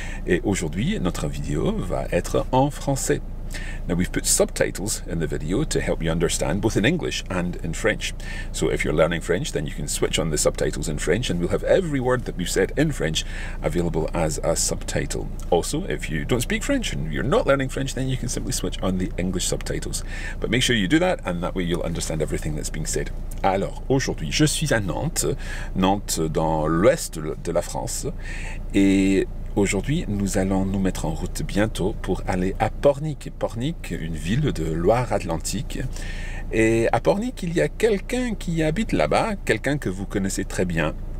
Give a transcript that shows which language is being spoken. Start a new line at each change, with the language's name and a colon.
French: Et aujourd'hui, notre vidéo va être en français.
English: Now, we've put subtitles in the video to help you understand both in English and in French. So if you're learning French, then you can switch on the subtitles in French and we'll have every word that we've said in French available as a subtitle. Also, if you don't speak French and you're not learning French, then you can simply switch on the English subtitles. But make sure you do that and that way you'll understand everything that's being said.
French: Alors, aujourd'hui, je suis à Nantes, dans l'ouest de la France, et aujourd'hui, nous allons nous mettre en route bientôt pour aller à Pornic. Pornic, une ville de Loire-Atlantique. Et à Pornic, il y a quelqu'un qui habite là-bas, quelqu'un que vous connaissez très bien.